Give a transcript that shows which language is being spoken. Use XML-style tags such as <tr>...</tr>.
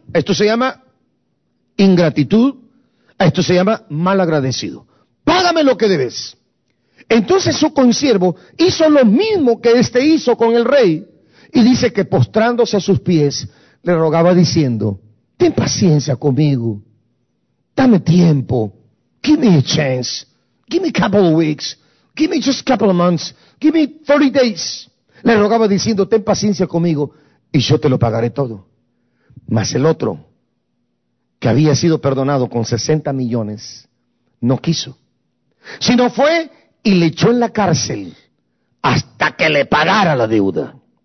<es>Esto se llama ingratitud, esto se llama malagradecido. Págame lo que debes. Entonces su consiervo hizo lo mismo que este hizo con el rey. Y dice que postrándose a sus pies, le rogaba diciendo, ten paciencia conmigo. Dame tiempo.</es> <en>Give me a chance. Give me a couple of weeks. Give me just a couple of months. Give me 30 days.</en> <es>Le rogaba diciendo, ten paciencia conmigo y yo te lo pagaré todo. Mas el otro, que había sido perdonado con 60 millones, no quiso. Sino fue y le echó en la cárcel hasta que le pagara la deuda.</es>